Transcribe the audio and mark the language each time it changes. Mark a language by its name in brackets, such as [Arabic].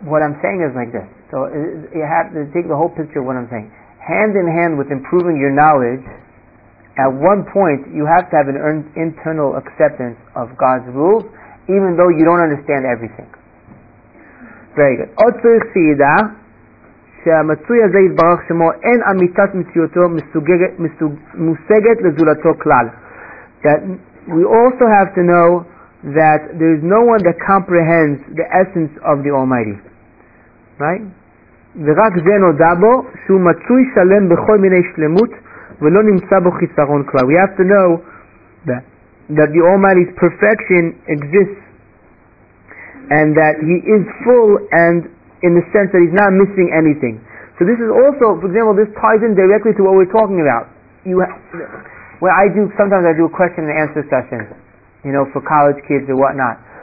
[English] What I'm saying is like this. So you have to take the whole picture of what I'm saying. Hand in hand with improving your knowledge, at one point you have to have an internal acceptance of God's rules, even though you don't understand everything. Very good. [Hebrew] Otsu v'yada. שהמצוי הזה יתברך שמו אין אמיתת מציאותו מושגת לזולתו כלל. [English] That we also have to know that there is no one that comprehends the essence of the Almighty. Right? [Hebrew] ורק זה נודע בו שהוא מצוי שלם בכל מיני שלמות ולא נמצא בו חיסרון כלל. [English] We have to know that the Almighty's perfection exists and that he is full and in the sense that he's not missing anything. So this is also, for example, this ties in directly to what we're talking about. I do a question and answer session, you know, for college kids or whatnot.